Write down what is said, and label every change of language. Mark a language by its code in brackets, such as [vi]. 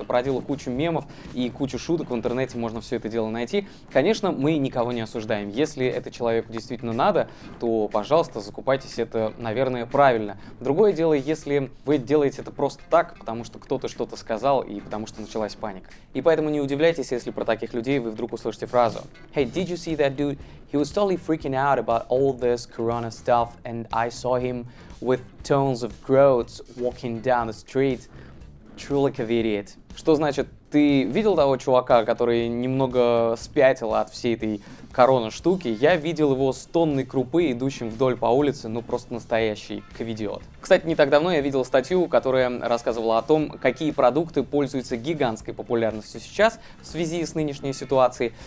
[ru] Это породило кучу мемов и кучу шуток в интернете, можно все это дело найти. Конечно, мы никого не осуждаем. Если это человеку действительно надо, то, пожалуйста, закупайтесь, это, наверное, правильно. Другое дело, если вы делаете это просто так, потому что кто-то что-то сказал и потому что началась паника. И поэтому не удивляйтесь, если про таких людей вы вдруг услышите фразу: Hey, did you see that dude? [en] He was totally freaking out about all this corona stuff, and I saw him with tons of groats walking down the street. Truly covidiot. [ru] Что значит, ты видел того чувака, который немного спятил от всей этой корона штуки? Я видел его с тонной крупы, идущим вдоль по улице, ну просто настоящий ковидиот. Кстати, не так давно я видел статью, которая рассказывала о том, какие продукты пользуются гигантской популярностью сейчас в связи с нынешней ситуацией.